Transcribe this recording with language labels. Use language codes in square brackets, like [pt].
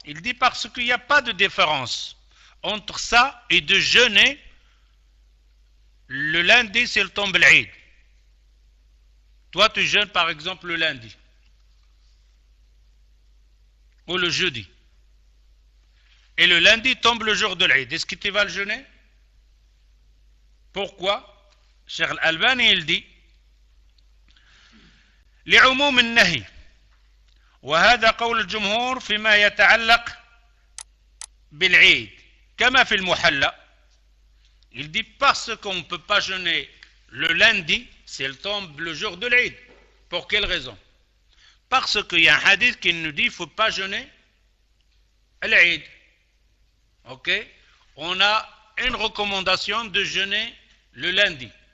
[fr] Il dit parce qu'il n'y a pas de différence entre ça et de jeûner le lundi s'il tombe l'Aïd. Toi, tu jeûnes par exemple le lundi ou le jeudi. Et le lundi tombe le jour de l'Aïd. Est-ce que tu vas le jeûner? Pourquoi? Cheikh Al-Albani, il dit [ar] لعموم النهي وهذا قول الجمهور فيما يتعلق بالعيد كما في المحلى. [fr] Il dit parce qu'on ne peut pas jeûner le lundi s'il tombe le jour de l'Aïd. Pour quelle raison? Parce qu'il y a un hadith qui nous dit faut pas jeûner l'Aïd. Ok? On a une recommandation de jeûner le lundi.